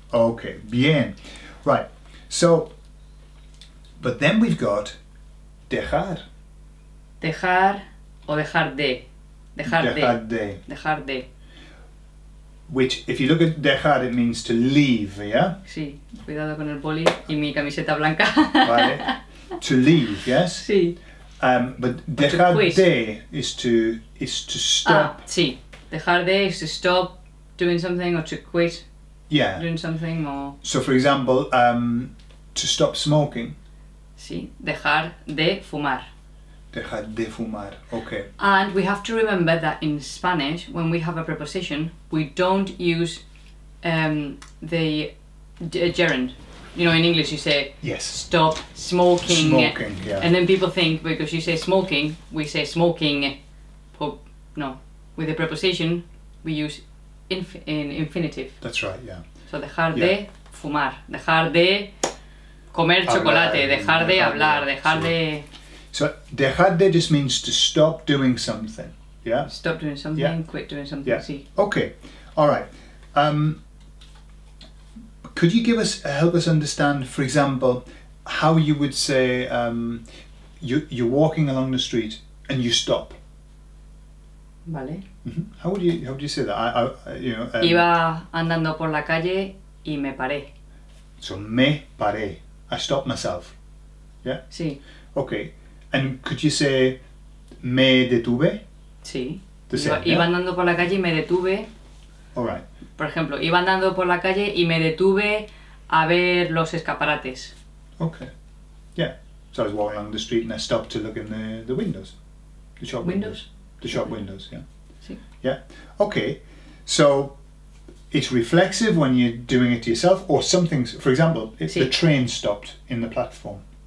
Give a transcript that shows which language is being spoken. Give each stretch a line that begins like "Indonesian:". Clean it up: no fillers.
English: Okay, bien. Right, so, but then we've got dejar.
Spanish: Dejar o dejar de. Dejar, dejar de. De. Dejar de.
English: Which, if you look at dejar, it means to leave, yeah?
Spanish: Sí, cuidado con el boli y mi camiseta blanca.
English: Vale. To leave, yes?
Spanish: Sí.
English: But dejar de is to stop. Ah, sí. Dejar de is to stop doing something or to quit doing something or... So for example, to stop smoking.
Spanish: Sí, dejar de fumar. Dejar de fumar, okay.
English: And we have to remember that in Spanish, when we have a preposition, we don't use the gerund. You know, in English you say, yes, stop smoking. Smoking, yeah. And then people think, because you say smoking, we say smoking, no. With the preposition, we use in infinitive. That's right, yeah.
Spanish: So, dejar de fumar, dejar de comer hablar, chocolate, dejar de hablar, dejar de...
English: So, dejar de just means to stop doing something, yeah? Stop doing something, quit doing something, sí. Okay, all right. Could you give us, help us understand, for example, how you would say you're walking along the street and you stop?
Spanish: Vale.
English: How would you say that?
Spanish: Iba andando por la calle y me paré.
English: So me paré. I stopped myself. Yeah?
Spanish: Sí.
English: Okay. And could you say me detuve?
Spanish: Sí. Iba andando por la calle y me detuve.
English: All right.
Spanish: Por ejemplo, iba andando por la calle y me detuve a ver los escaparates.
English: Okay. Yeah. So I was walking along the street and I stopped to look in the windows. The shop windows. The shop windows, yeah.
Spanish: Sí.
English: Yeah. Okay. So it's reflexive when you're doing it to yourself or something. For example, the train stopped in the platform.